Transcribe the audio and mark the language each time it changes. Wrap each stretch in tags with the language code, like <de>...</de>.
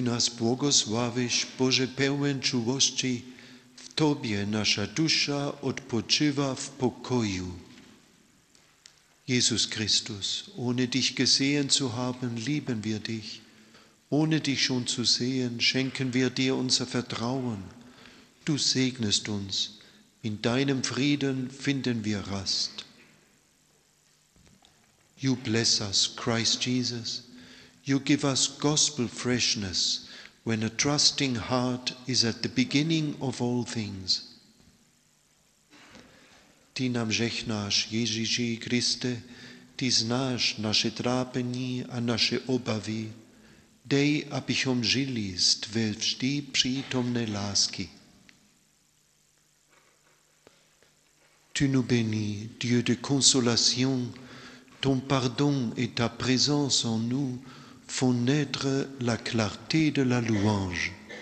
<pl>Błogosławisz, Boże pełen czułości, w Tobie nasza dusza odpoczywa w pokoju.</pl> <de>Jezus Chrystus, ohne dich gesehen zu haben, lieben wir dich. Ohne dich schon zu sehen, schenken wir dir unser Vertrauen. Du segnest uns, in deinem Frieden finden wir Rast.</de> <en>You bless us, Christ Jesus. You give us gospel freshness. When a trusting heart is at the beginning of all things.</en> <cs>Ty nám žehnáš, Ježíši Kriste, ty znáš naše trápení a naše obavy, dej, abychom žili z tvé vždy přítomné lásky.</cs> <fr>Tu nous bénis, Dieu de consolation, ton pardon et ta présence en nous font naître la clarté de la louange.</fr>